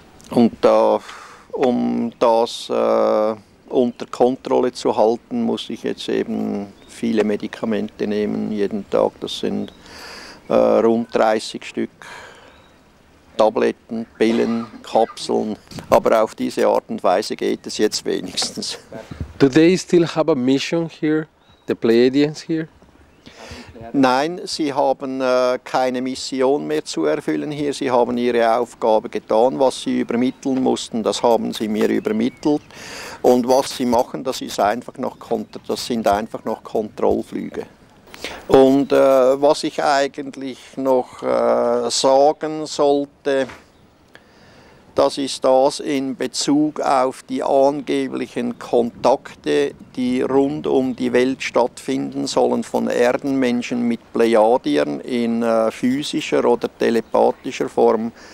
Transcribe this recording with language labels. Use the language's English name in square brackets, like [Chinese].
[German] Und da, um das unter Kontrolle zu halten, muss ich jetzt eben viele Medikamente nehmen, jeden Tag. Das sind rund 30 Stück Tabletten, Pillen, Kapseln. Aber auf diese Art und Weise geht es jetzt wenigstens. [English] Do they still have a mission here, the Pleiadians here? [German] Nein, sie haben keine Mission mehr zu erfüllen hier. Sie haben ihre Aufgabe getan. Was sie übermitteln mussten, das haben sie mir übermittelt. Und was sie machen, das sind einfach noch Kontrollflüge. Und was ich eigentlich noch sagen sollte, das ist das in Bezug auf die angeblichen Kontakte, die rund um die Welt stattfinden sollen von Erdenmenschen mit Plejadiern in physischer oder telepathischer Form.